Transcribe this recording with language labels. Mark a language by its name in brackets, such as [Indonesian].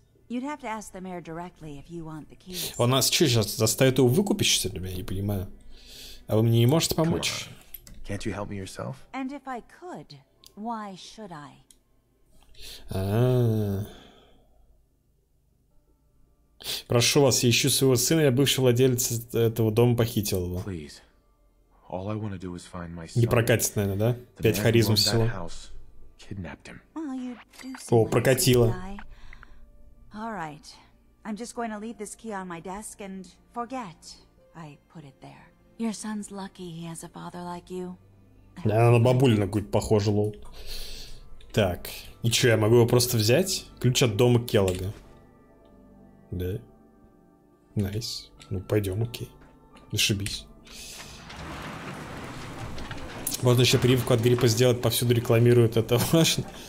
[English] You'd have to ask the mayor directly if you want the keys. [Russian] Он нас что, сейчас заставит его выкупить, что ли? Я не понимаю. А вы мне не можете помочь? [English] Can't you help me yourself? And if I could, why should I? [Russian] Прошу вас, я ищу своего сына, я бывший владелец этого дома, похитил его. [English] Please. All I want to do is find my son. [Russian] Не прокатит, наверное, да? Пять харизм всего. [English] Kidnapped him. [Russian] О, прокатило. [English] All right. I'm just going to leave this key on my desk and forget I put it there. Your son's lucky he has a father like you. [Russian] Она на бабулю на какую-то похожа, лол. Так. И что, я могу его просто взять? Ключ от дома Келлога. Да. Найс. Ну, пойдем, окей. Зашибись. Можно еще прививку от гриппа сделать, повсюду рекламируют это важно.